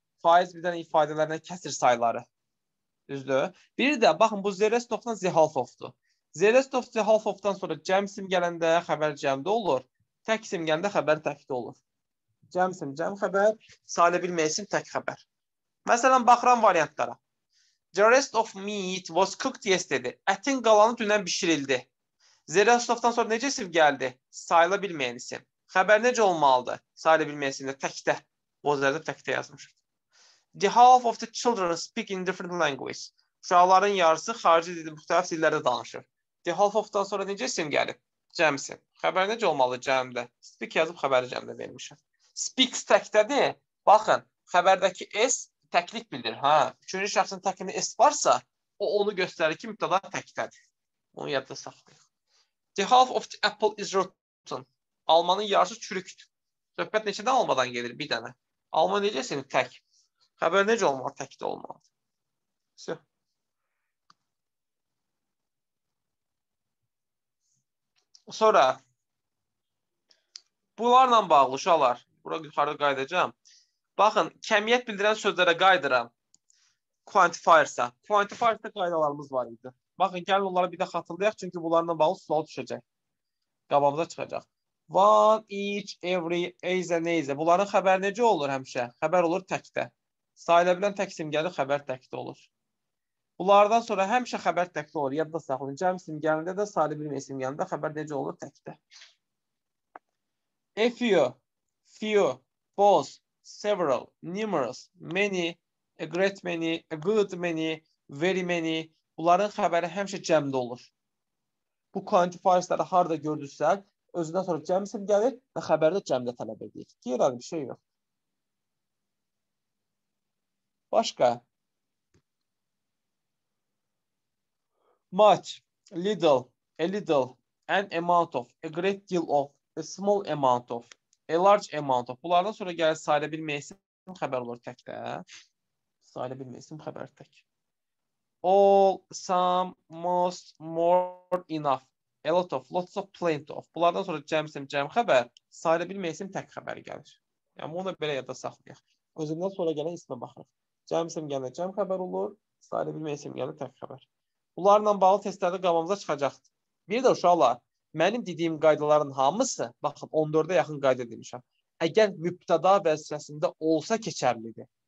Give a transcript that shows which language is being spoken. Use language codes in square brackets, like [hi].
[az] Faiz birdən ifadələrinə kəsir sayları. Düzdür. Biri də, baxın, bu Zerestovdan Zehalfovdur. Zerestov Zehalfovdan sonra cəm isim gələndə xəbər cəmdə olur. Tək isim gələndə xəbər təkdə olur. Cəm isim cəm xəbər, sayılə bilməyən isim tək xəbər. Məsələn, baxıram variantlara. [en] The rest of meat was cooked yesterday. [az] Ətin qalanı dünən bişirildi. Zerestovdan sonra necə isim gəldi? Sayıla bilməyən isim. Xəbər necə olmalıdır? Sayıla bilməyən isimdə təkdə. Bozlərdə təkdə yazmışıq. [en] The half of the children speak in different language. [az] Uşaqların yarısı xarici dildə müxtəlif dillərdə danışır. [en] The half of- [az] dan sonra necə isim gəlib? Cəm isim. Xəbər necə olmalıdır cəmdə? Speak yazıb xəbəri cəmdə vermişəm. Speaks təkdədir. Baxın, xəbərdəki s təklik bildirir. Ha, üçüncü şəxsin təkdə s varsa, o onu göstərir ki, mübtəda təkdədir. Onu yadda saxlayın. [en] The half of the apple is rotten. [az] Almanın yarısı çürükdür. Söhbət neçədən almadan gelir bir dənə. Alma necə senin tək? Xəbər necə olmalı? Təkdə olmalı. Sonra bunlarla bağlı uşaqlar. Bura yuxarı qayıdacağım. Baxın, kəmiyyət bildirən sözlərə qayıdıram. Quantifiersa. Quantifiersa qaydalarımız var idi. Baxın, gəlin onları bir də xatırlayaq, çünki bunlarla bağlı sual düşəcək. Qabağımıza çıxacaq. [en] One, each, every, [az] eyzə, neyzə. Bunların xəbəri necə olur həmişə? Xəbər olur təkdə. Sayılə bilən tək isim gəlir, xəbər təkdə olur. Bunlardan sonra həmişə xəbər təkdə olur. Yadda saxlayın. Cəm isim gəlində də, sayılə bilmək isim gəlində xəbər necə olur təkdə. [en] A few, few, both, several, numerous, many, a great many, a good many, very many. [az] Bunların xəbəri həmişə cəmdə olur. Bu quantifierslərə harada gördüksək, özündən sonra cəm isim gəlir və xəbəri də cəmdə tələb edir. Qeyri-adi bir şey yox. Başqa. [en] Much, little, a little, an amount of, a great deal of, a small amount of, a large amount of. [az] Bunlardan sonra gəl sayılə bilmək isim xəbər olur tək də. Sayılə bilmək isim xəbər tək. [en] All, some, most, more, enough, a lot of, lots of, plenty of. [az] Bunlardan sonra cəm isim cəm xəbər, sayılə bilmək isim tək xəbər gəlir. Yəni bunu belə yada saxlayaq. Özündən sonra gələn ismə baxırıq. Cəm isim gələn cəm xəbər olur, sayılə bilmək isim gələn tək xəbər. Bunlarla bağlı testlərdə qabağımıza çıxacaqdır. Bir də uşaqlar, mənim dediyim qaydaların hamısı, baxın 14-ə yaxın qayda demişəm, əgər mübtəda vəzifəsində olsa keçərlidir.